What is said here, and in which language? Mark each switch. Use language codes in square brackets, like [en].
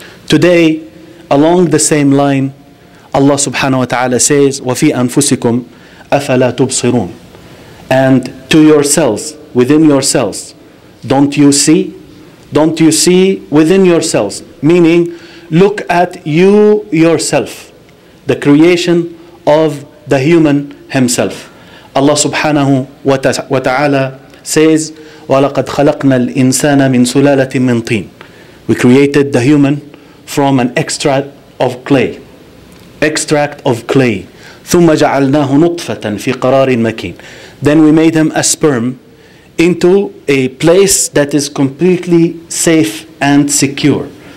[en] Today, along the same line, Allah subhanahu wa ta'ala says, [ar] وَفِي أَنفُسِكُمْ أَفَلَا تُبْصِرُونَ [en] And to yourselves, within yourselves, don't you see? Don't you see within yourselves? Meaning, look at you yourself, the creation of the human himself. Allah subhanahu wa ta'ala says, [ar] وَلَقَدْ خَلَقْنَا الْإِنسَانَ مِنْ سُلَالَةٍ مِنْ طِينٍ. [en] We created the human from an extract of clay. Extract of clay. [ar] ثُمَّ جَعَلْنَاهُ نُطْفَةً فِي قَرَارٍ مَكِينٍ. [en] Then we made him a sperm into a place that is completely safe and secure.